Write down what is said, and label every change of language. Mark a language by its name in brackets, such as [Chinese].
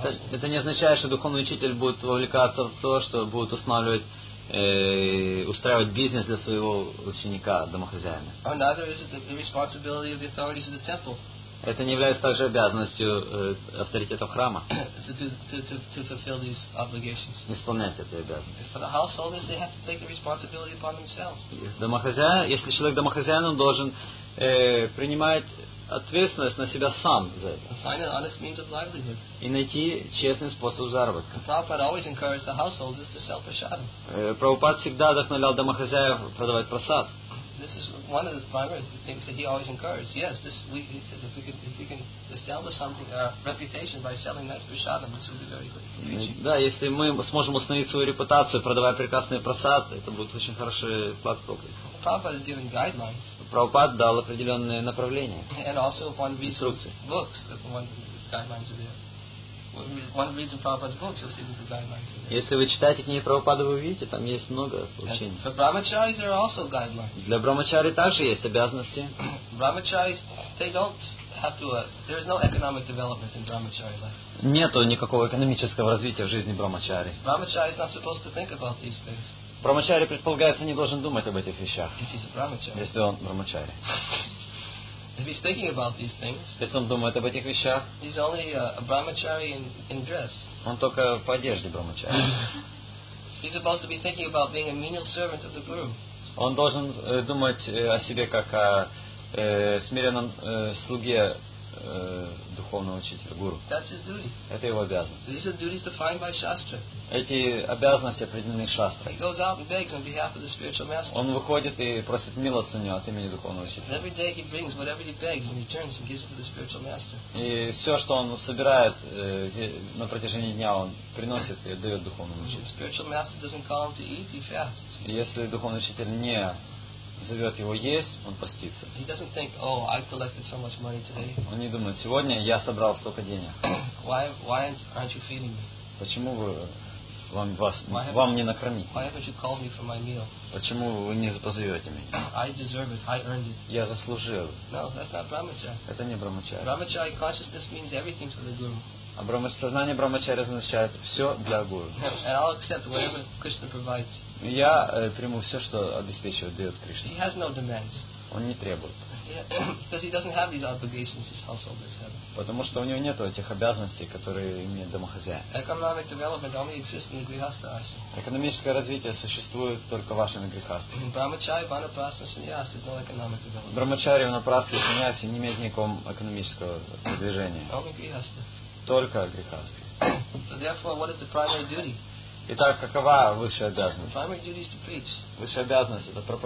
[Russian] Это не означает, что духовный учитель будет вовлекаться в то, что будет устанавливать, устраивать бизнес для своего ученика, домохозяина. [English] Oh, neither is it the responsibility of the authorities of the temple. [Russian] Это не является также обязанностью авторитетов храма. [English] To fulfill these obligations. [Russian] Исполнять эти обязанности. [English] For the householders, they have to take the responsibility upon themselves. [Russian] Домохозяин, если человек домохозяин, он должен принимать ответственность на себя сам за это. [English] Find an honest means of livelihood. [Russian] И найти честный способ заработка. [English] Prabhupada always encouraged the householders to sell prasadam. [Russian] Prabhupada всегда вдохновлял домохозяев продавать просад. [English] This is one of the primary things that he always encouraged. Yes, this if we can establish something reputation by selling nice prasadam, this would be very good. [Russian] Да, если мы сможем установить свою репутацию, продавая прекрасный просад, это будет очень хороший вклад в общество. [English] Prabhupada has given guidelines. [Russian] Прабхупад дал определенные направления. [English] And also one reads books, the guidelines are there. One reads Prabhupada's books, you'll see that the guidelines are there. [Russian] Если вы читаете книги Прабхупады, вы увидите, там есть много учений. [English] For brahmacharis there are also guidelines. [Russian] Для брахмачари также есть обязанности. [English] Brahmacharis, they don't have to. There is no economic development in brahmachari life. [Russian] Нету никакого экономического развития в жизни брахмачари. [English] Brahmachari is not supposed to think about these things. [Russian] Брахмачари, предполагается, не должен думать об этих вещах. [English] Brahmachari. [Russian] Если он брахмачари. [English] If he's thinking about these things, [Russian] если он думает об этих вещах, [English] he's only a brahmachari in dress. [Russian] Он только в одежде брахмачари. [English] He's supposed to be thinking about being a menial servant of the guru. [Russian] Он должен думать о себе как о смиренном слуге духовного учителя, гуру. [English] That's his duty. [Russian] Это его обязанность. [English] These are duties defined by Shastra. [Russian] Эти обязанности определены шастрой. [English] He goes out and begs on behalf of the spiritual master. [Russian] Он выходит и просит милостыню от имени духовного учителя. [English] Every day he brings whatever he begs and returns and gives it to the spiritual master. [Russian] И все, что он собирает на протяжении дня, он приносит и дает духовному учителю. [English] Spiritual master doesn't call him to eat, he fasts. [Russian] Если духовный учитель не зовет его есть, он постится. [English] He doesn't think, oh, I collected so much money today. [Russian] Он не думает, сегодня я собрал столько денег. [English] Why aren't you feeding me? [Russian] Почему вы вам не накормить? [English] Why haven't you called me for my meal? [Russian] Почему вы не позовете меня? [English] I deserve it. I earned it. [Russian] Я заслужил. [English] No, that's not brahmacharya. [Russian] Это не брахмачарь. [English] Brahmacharya consciousness means everything for the guru. [Russian] А сознание брахмачарья означает все для гуру. [English] And I'll accept whatever Krishna provides. [Russian] Я приму все, что обеспечивает, дает Кришна. [English] He has no demands. [Russian] Он не требует. [English] Because he doesn't have these obligations his householders have. [Russian] Потому что у него нет этих обязанностей, которые имеет домохозяин. [English] Economic development only exists in the grihastha ashram. [Russian] Экономическое развитие существует только в вашем грихастхе. [English] In brahmachari, vanaprastha, sannyasa, no economic development. [Russian] Брахмачарья, ванапрастха, саньяси не имеет никакого экономического движения. [English] Only grihastha. [Russian] Только грихастхе. [English] So therefore, what is the primary duty? [Russian] Итак, какова высшая обязанность? Высшая обязанность — это